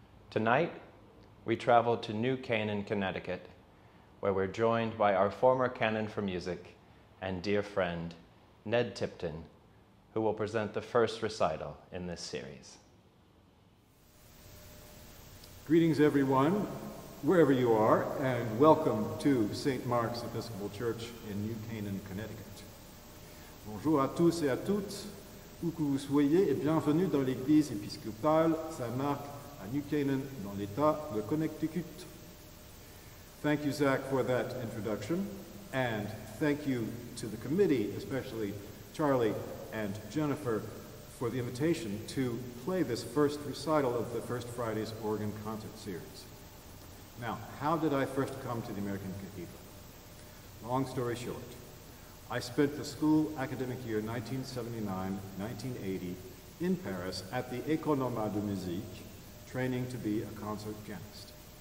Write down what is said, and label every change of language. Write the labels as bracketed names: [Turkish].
[English] Tonight, we travel to New Canaan, Connecticut, where we're joined by our former canon for music and dear friend, Ned Tipton, who will present the first recital in this series. Greetings, everyone, wherever you are, and welcome to St. Mark's Episcopal Church in New Canaan, Connecticut. [French] Bonjour à tous et à toutes, où que vous soyez, et bienvenue dans l'église épiscopale Saint-Marc à New Canaan, dans l'état de Connecticut. [English] Thank you, Zach, for that introduction, and thank you to the committee, especially Charlie and Jennifer, for the invitation to play this first recital of the First Friday's Organ Concert Series. Now, how did I first come to the American Cathedral? Long story short, I spent the school academic year 1979-1980 in Paris at the École Normale de Musique, training to be a concert pianist.